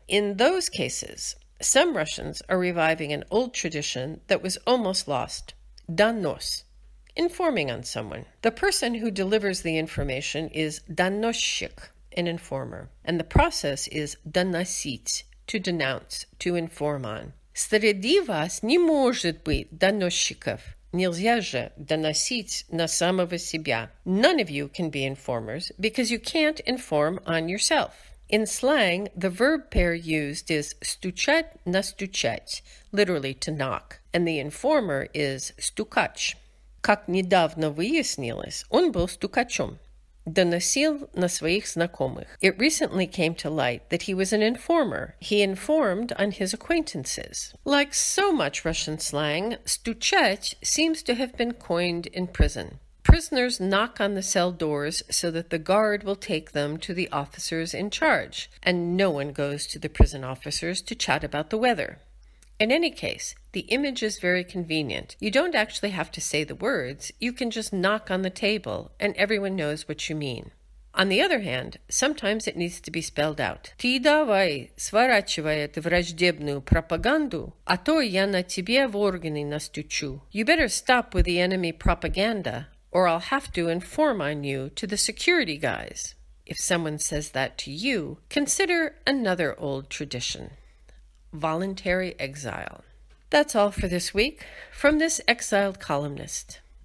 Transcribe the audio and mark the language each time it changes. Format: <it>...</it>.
<en>In those cases, some Russians are reviving an old tradition that was almost lost, donos, informing on someone. The person who delivers the information is donosчик, an informer, and the process is donosить, to denounce, to inform on.</en> <ru>Среди вас не может быть доносчиков. Нельзя же доносить на самого себя.</ru> <en>None of you can be informers because you can't inform on yourself. In slang, the verb pair used is стучать на стучать, literally to knock, and the informer is стукач.</en> <ru>Как недавно выяснилось, он был стукачом. Доносил на своих знакомых.</ru> <en>It recently came to light that he was an informer. He informed on his acquaintances. Like so much Russian slang, стучать seems to have been coined in prison. Prisoners knock on the cell doors so that the guard will take them to the officers in charge, and no one goes to the prison officers to chat about the weather. In any case, the image is very convenient. You don't actually have to say the words, you can just knock on the table, and everyone knows what you mean. On the other hand, sometimes it needs to be spelled out.</en> <ru>Ты давай сворачивай эту враждебную пропаганду, а то я на тебе в органы настучу.</ru> <en>You better stop with the enemy propaganda, or I'll have to inform on you to the security guys. If someone says that to you, consider another old tradition. Voluntary exile. That's all for this week from this exiled columnist.</en>